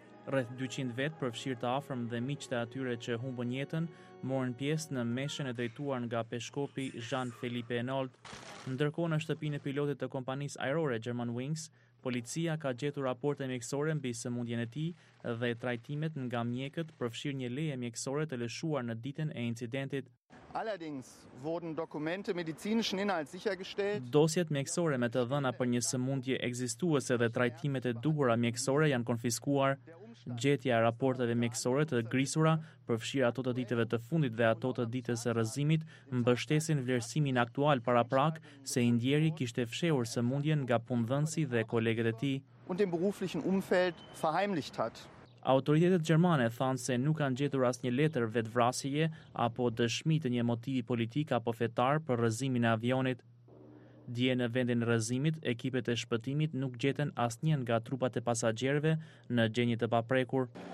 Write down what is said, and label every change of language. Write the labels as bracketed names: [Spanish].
[Albanian] Rreth 200 vet, përfshirë të afërm dhe miqtë e atyre që humbën jetën, morën pjesë në meshën e drejtuar nga peshkopi Jean-Philippe Enault. Ndërkohë në shtëpinë e pilotit të kompanisë ajrore Germanwings, policia ka gjetur raporte mjekësore mbi sëmundjen e tij dhe trajtimet nga mjekët, përfshirë një leje mjekësore të lëshuar në ditën e incidentit. [German] Allerdings wurden Dokumente medizinischen Inhalts sichergestellt. [Albanian] Dosjet mjekësore me të dhëna për një sëmundje ekzistuese dhe trajtimet e duhura mjekësore janë konfiskuar. Gjetja e raporteve mjekësore të grisura, përfshirë ato të ditëve të fundit dhe ato të ditës së rrëzimit, mbështesin vlerësimin aktual paraprak se i ndjeri kishte fshehur sëmundjen nga punëdhënësi dhe kolegët e tij [German] und dem beruflichen Umfeld verheimlicht hat. [Albanian] Autoritetet gjermane thanë se nuk kanë gjetur asnjë letër vetvrasjeje apo dëshmi të një motivi politik apo fetar për rrëzimin e avionit. Dje në vendin rrëzimit, ekipet e shpëtimit nuk gjeten asnjë nga trupat e pasagjerëve në gjendje të paprekur.